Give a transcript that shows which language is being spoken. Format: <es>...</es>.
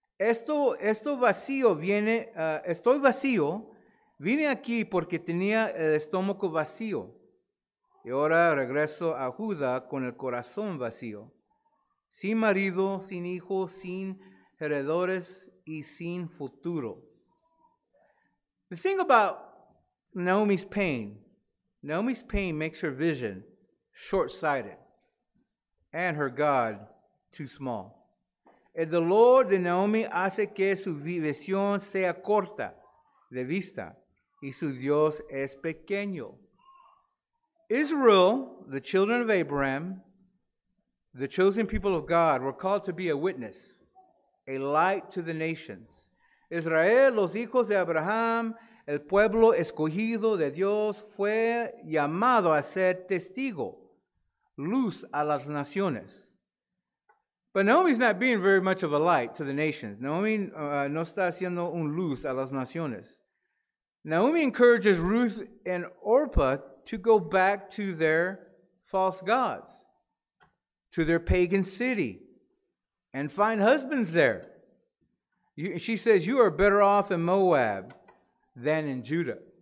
<es>Estoy vacío. Vine aquí porque tenía el estómago vacío. Y ahora regreso a Judá con el corazón vacío. Sin marido, sin hijos, sin heredores y sin futuro.</es> <en>The thing about Naomi's pain makes her vision short-sighted and her God too small.</en> <es>El dolor de Naomi hace que su visión sea corta de vista y su Dios es pequeño.</es> <en>Israel, the children of Abraham, the chosen people of God, were called to be a witness, a light to the nations.</en> <es>Israel, los hijos de Abraham, el pueblo escogido de Dios, fue llamado a ser testigo, luz a las naciones.</es> <en>But Naomi's not being very much of a light to the nations.</en> <es>Naomi no está haciendo un luz a las naciones.</es> <en>Naomi encourages Ruth and Orpah to go back to their false gods, to their pagan city, and find husbands there. She says, you are better off in Moab than in Judah.</en>